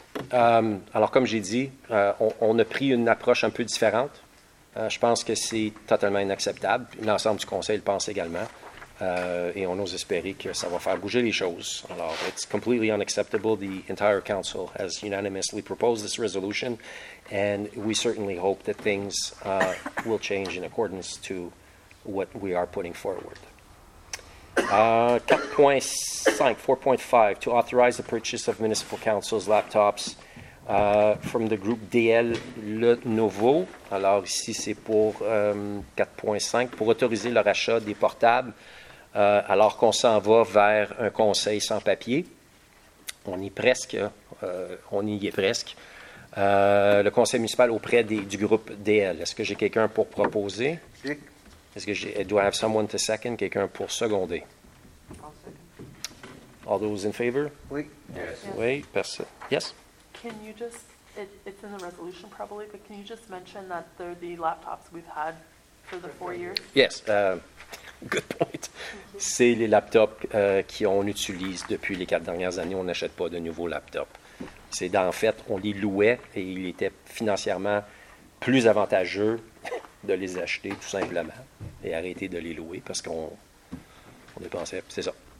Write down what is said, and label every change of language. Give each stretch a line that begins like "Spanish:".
French: Alors, comme j'ai dit, on a pris une approche un peu différente. Je pense que c'est totalement inacceptable. L'ensemble du conseil le pense également. Et on ose espérer que ça va faire bouger les choses.
English: Alors, it's completely unacceptable. The entire council has unanimously proposed this resolution. And we certainly hope that things will change in accordance to what we are putting forward. 4.5, to authorize the purchase of municipal councils' laptops from the group DL Lenovo.
French: Alors ici, c'est pour 4.5, pour autoriser leur achat des portables, alors qu'on s'en va vers un conseil sans papier. On y est presque. Le conseil municipal auprès du groupe DL. Est-ce que j'ai quelqu'un pour proposer? Oui. Est-ce que
English: do I have someone to second?
French: Quelqu'un pour seconder?
English: All those in favor?
French: Oui.
English: Yes. Oui. Yes? Can you just, it's in the resolution probably, but can you just mention that they're the laptops we've had for the 4 years? Yes. Good point.
French: C'est les laptops qu'on utilise depuis les quatre dernières années. On n'achète pas de nouveaux laptops. C'est en fait, on les louait et il était financièrement plus avantageux de les acheter tout simplement et arrêter de les louer parce qu'on dépensait. C'est ça.